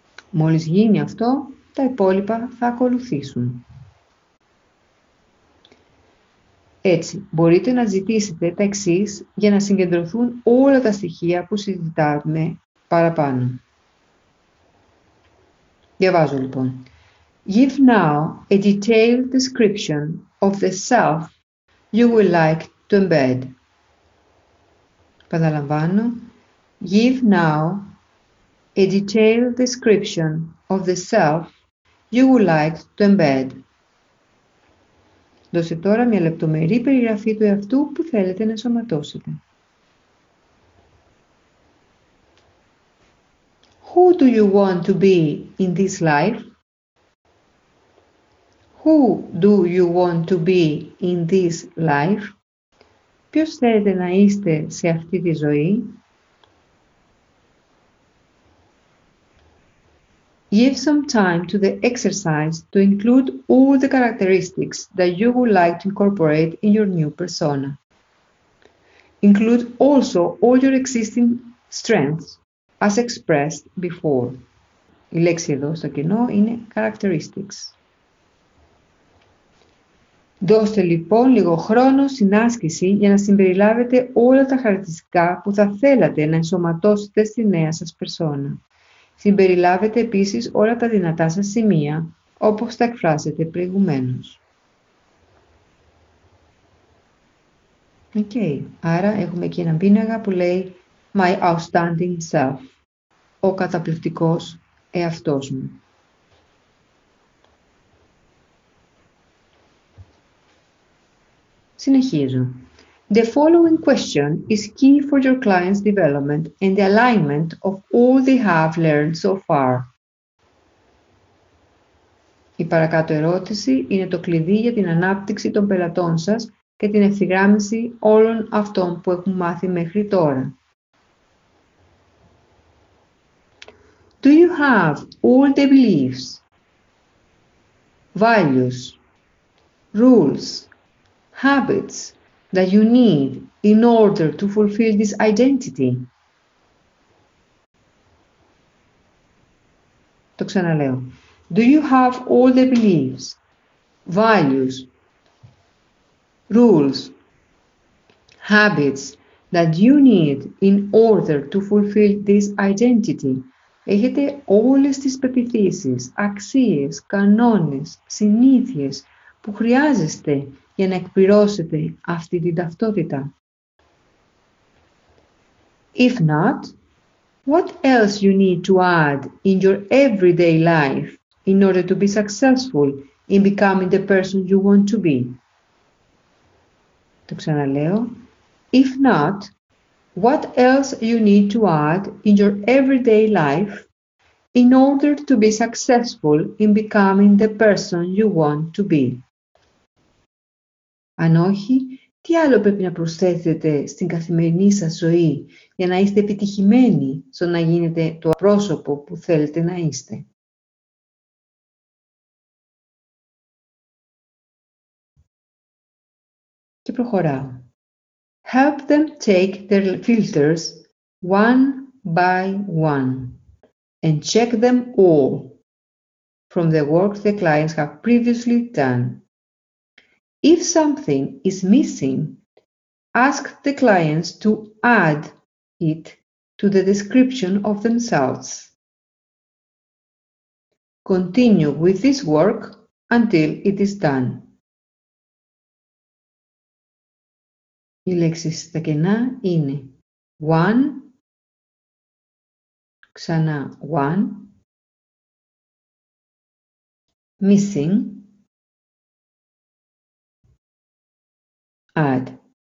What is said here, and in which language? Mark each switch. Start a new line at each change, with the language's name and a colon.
Greek: Μόλις γίνει αυτό, τα υπόλοιπα θα ακολουθήσουν. Έτσι, μπορείτε να ζητήσετε τα εξής για να συγκεντρωθούν όλα τα στοιχεία που συζητάμε παραπάνω. Διαβάζω λοιπόν.
English: Give now a detailed description of the self you would like to embed.
Greek: Παραλαμβάνω.
English: Give now a detailed description of the self you would like to embed.
Greek: Δώσε τώρα μια λεπτομερή περιγραφή του εαυτού που θέλετε να ενσωματώσετε.
English: Who do you want to be in this life? Who do you want to be in this life?
Greek: Ποιος θέλετε να είστε σε αυτή τη ζωή?
English: Give some time to the exercise to include all the characteristics that you would like to incorporate in your new persona. Include also all your existing strengths as expressed before.
Greek: Η λέξη εδώ στο κοινό είναι characteristics. Δώστε λοιπόν λίγο χρόνο στην άσκηση για να συμπεριλάβετε όλα τα χαρακτηριστικά που θα θέλατε να ενσωματώσετε στη νέα σας persona. Συμπεριλάβετε επίσης όλα τα δυνατά σας σημεία, όπως τα εκφράσετε προηγουμένως. Okay. Άρα έχουμε εκεί έναν πίνακα που λέει
English: «My outstanding self»,
Greek: ο καταπληκτικός εαυτός μου. Συνεχίζω.
English: The following question is key for your client's development and the alignment of all they have learned so far.
Greek: Η παρακάτω ερώτηση είναι το κλειδί για την ανάπτυξη των πελατών σας και την ευθυγράμμιση όλων αυτών που έχουν μάθει μέχρι τώρα.
English: Do you have all the beliefs, values, rules, habits that you need in order to fulfill this identity?
Greek: Το ξαναλέω.
English: Do you have all the beliefs, values, rules, habits that you need in order to fulfill this identity?
Greek: Έχετε όλες τις πεποιθήσεις, αξίες, κανόνες, συνήθειες που χρειάζεστε για να εκπληρώσετε αυτή την ταυτότητα?
English: If not, what else you need to add in your everyday life in order to be successful in becoming the person you want to be?
Greek: Το ξαναλέω.
English: If not, what else you need to add in your everyday life in order to be successful in becoming the person you want to be?
Greek: Αν όχι, Τι άλλο πρέπει να προσθέτετε στην καθημερινή σας ζωή για να είστε επιτυχημένοι στο να γίνετε το πρόσωπο που θέλετε να είστε? Και προχωράω.
English: Help them take their filters one by one and check them all from the work the clients have previously done. If something is missing, ask the clients to add it to the description of themselves. Continue with this work until it is done.
Greek: Οι λέξεις στα κενά είναι one, ξανά one, missing, add.